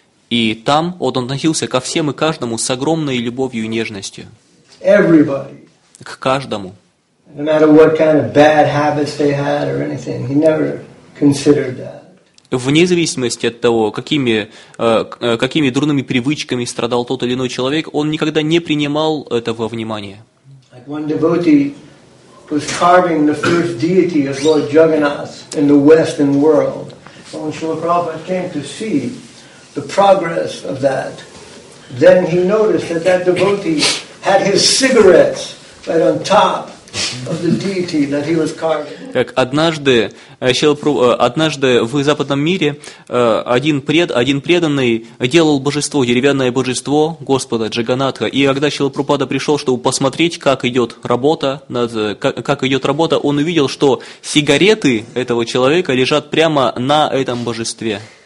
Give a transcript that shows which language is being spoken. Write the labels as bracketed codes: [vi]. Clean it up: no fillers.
[ru] И там он относился ко всем и каждому с огромной любовью и нежностью. [en] Everybody. [ru] К каждому. [en] No matter what kind of bad habits they had or anything, he never considered that. [ru] Вне зависимости от того, какими дурными привычками страдал тот или иной человек, он никогда не принимал этого внимания. [en] One devotee was carving the first deity of Lord Jagannath in the Western world. When Srila Prabhupada came to see the progress of that, then he noticed that that devotee had his cigarettes right on top of the deity that he was carving. [ru] Как однажды в западном мире один преданный делал божество, деревянное божество Господа Джаганатха, и когда Шрила Прабхупада пришел, чтобы посмотреть, как идет работа, он увидел, что сигареты этого человека лежат прямо на этом божестве.